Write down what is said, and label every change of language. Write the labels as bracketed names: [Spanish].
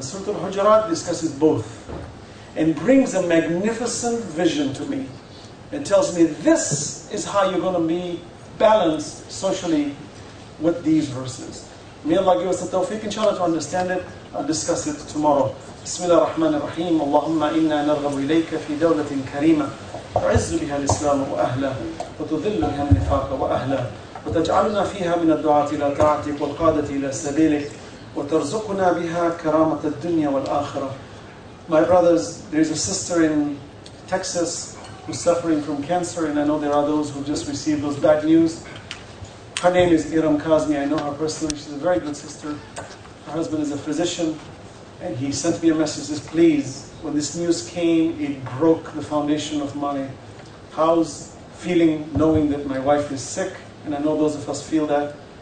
[English] And Surah Al-Hujurat discusses both and brings a magnificent vision to me and tells me this is how you're going to be balanced socially with these verses. May Allah give us the tawfiq, inshallah, to understand it. I'll discuss it tomorrow. [Arabic] بسم الله الرحمن الرحيم اللهم إنا نرغب إليك في دولة كريمة تعز بها الإسلام وأهله وتذل بها النفاق وأهله وتجعلنا فيها من الدعاة إلى طاعتك والقادة إلى سبيلك وترزقنا بها كرامة الدنيا والآخرة. [English] My brothers, there is a sister in Texas who's suffering from cancer, and I know there are those who just received those bad news. Her name is Iram Kazmi. I know her personally. She's a very good sister. Her husband is a physician. And he sent me a message, says, please, when this news came, it broke the foundation of my house, feeling, knowing that my wife is sick, and I know those of us feel that.